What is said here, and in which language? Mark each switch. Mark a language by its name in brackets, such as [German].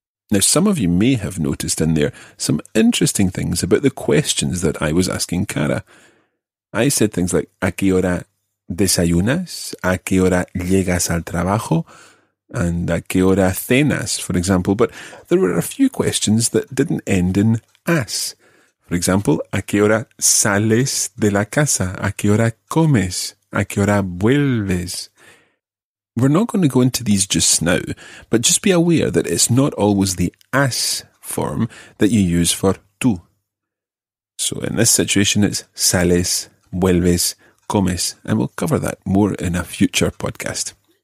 [English] Now, some of you may have noticed in there some interesting things about the questions that I was asking Cara. I said things like, [Spanish] ¿a qué hora desayunas? ¿A qué hora llegas al trabajo? [English] And [Spanish] ¿a qué hora cenas, [English] for example? But there were a few questions that didn't end in as. For example, [Spanish] ¿a qué hora sales de la casa? ¿A qué hora comes? ¿A qué hora vuelves? [English] We're not going to go into these just now, but just be aware that it's not always the as form that you use for tú. So in this situation, it's sales, vuelves, comes, and we'll cover that more in a future podcast.